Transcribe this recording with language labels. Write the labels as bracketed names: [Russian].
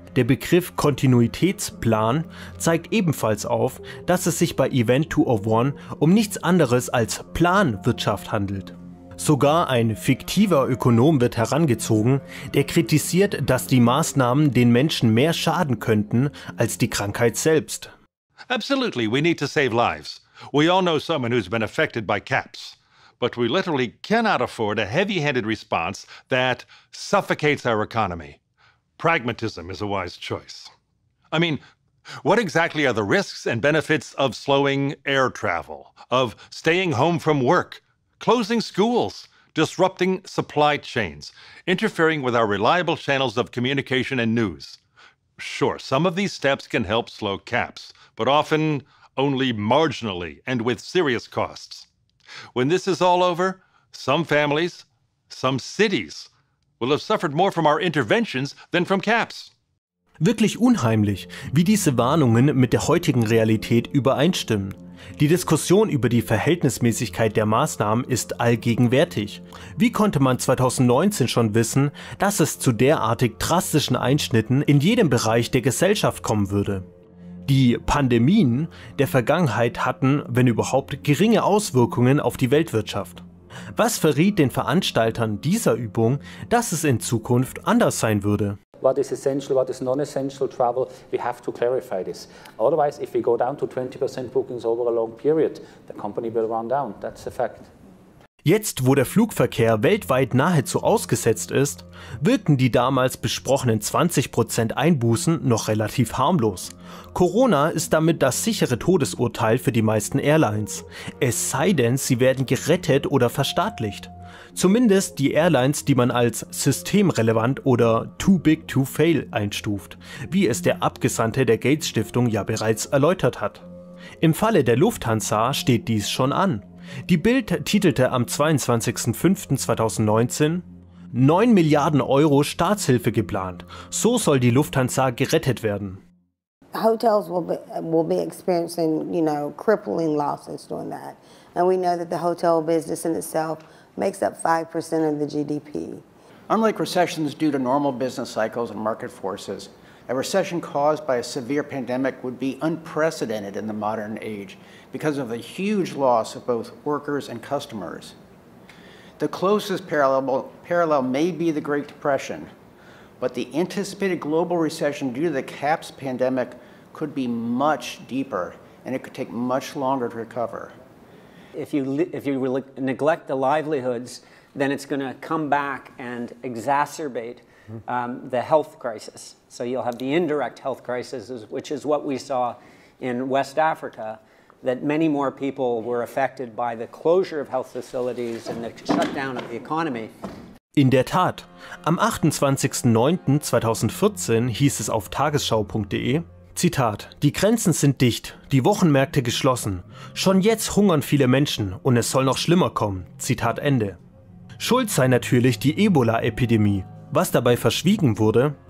[German] Der Begriff Kontinuitätsplan zeigt ebenfalls auf, dass es sich bei Event 201 um nichts anderes als Planwirtschaft handelt. Sogar ein fiktiver Ökonom wird herangezogen, der kritisiert, dass die Maßnahmen den Menschen mehr schaden könnten als die Krankheit selbst. [English] Absolutely, we need to save lives. We all know someone who's been affected by CAPS. But we literally cannot afford a heavy-handed response that suffocates our economy. Pragmatism is a wise choice. I mean, what exactly are the risks and benefits of slowing air travel, of staying home from work, closing schools, disrupting supply chains, interfering with our reliable channels of communication and news? Sure, some of these steps can help slow CAPS, but often only marginally and with serious costs. When this is all over, some families, some cities will have suffered more from our interventions than from CAPS. [German] Wirklich unheimlich, wie diese Warnungen mit der heutigen Realität übereinstimmen. Die Diskussion über die Verhältnismäßigkeit der Maßnahmen ist allgegenwärtig. Wie konnte man 2019 schon wissen, dass es zu derartig drastischen Einschnitten in jedem Bereich der Gesellschaft kommen würde? Die Pandemien der Vergangenheit hatten, wenn überhaupt, geringe Auswirkungen auf die Weltwirtschaft. Was verriet den Veranstaltern dieser Übung, dass es in Zukunft anders sein würde? [English] What is essential, what is non-essential travel, we have to clarify this. Otherwise, if we go down to 20% bookings over a long period, the company will run down. That's a fact. [German] Jetzt, wo der Flugverkehr weltweit nahezu ausgesetzt ist, wirken die damals besprochenen 20% Einbußen noch relativ harmlos. Corona ist damit das sichere Todesurteil für die meisten Airlines. Es sei denn, sie werden gerettet oder verstaatlicht. Zumindest die Airlines, die man als systemrelevant oder too big to fail einstuft, wie es der Abgesandte der Gates-Stiftung ja bereits erläutert hat. Im Falle der Lufthansa steht dies schon an. Die Bild titelte am 22.05.2019 9 Milliarden Euro Staatshilfe geplant. So soll die Lufthansa gerettet werden. [English] Hotels will be experiencing, you know, crippling losses during that. And we know that the hotel business in itself makes up 5% of the GDP. Unlike recessions due to normal business cycles and market forces, a recession caused by a severe pandemic would be unprecedented in the modern age because of the huge loss of both workers and customers. The closest parallel may be the Great Depression, but the anticipated global recession due to the CAPS pandemic could be much deeper, and it could take much longer to recover. If you neglect the livelihoods, then it's going to come back and exacerbate the health crisis. So you'll have the indirect health crisis, which is what we saw in West Africa, that many more people were affected by the closure of health facilities and the shutdown of the economy. [German] In der Tat, am 28.09.2014 hieß es auf tagesschau.de, Zitat, die Grenzen sind dicht, die Wochenmärkte geschlossen, schon jetzt hungern viele Menschen und es soll noch schlimmer kommen, Zitat Ende. Schuld sei natürlich die Ebola-Epidemie. Was dabei verschwiegen wurde,